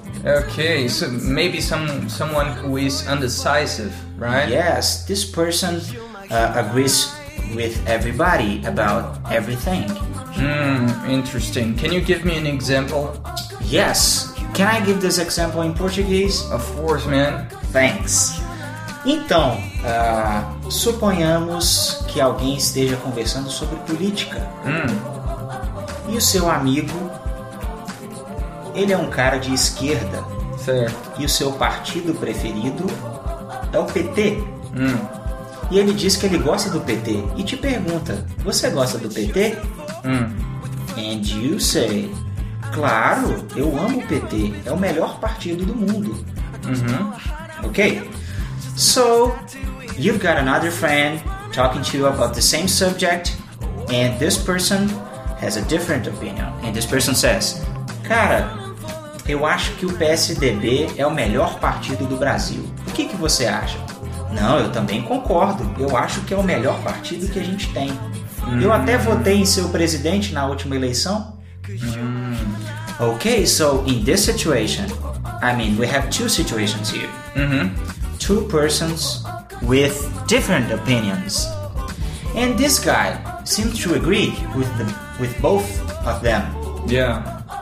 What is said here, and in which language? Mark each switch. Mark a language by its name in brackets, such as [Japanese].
[English] Okay, so maybe someone who is undecisive, right? Yes, this person agrees with everybody about everything. Interesting. Can you give me an example? Yes. Can I give this example in Portuguese? Of course, man. Thanks. [Portuguese] Então, suponhamos que alguém esteja conversando sobre política. E o seu amigo, ele é um cara de esquerda. Certo. E o seu partido preferido é o PT. E ele diz que ele gosta do PT. E te pergunta, você gosta do PT? [English] And you say, [Portuguese] claro, eu amo o PT. É o melhor partido do mundo. Ok? [English] So, you've got another friend talking to you about the same subject. And this person... has a different opinion. And this person says, [Portuguese] cara, eu acho que o PSDB é o melhor partido do Brasil. O que, que você acha? Não, eu também concordo. Eu acho que é o melhor partido que a gente tem. Eu até votei em seu presidente na última eleição. [English] Ok, so in this situation, I mean, we have two situations here. Two persons with different opinions. And this guy seems to agree with both of them. Yeah.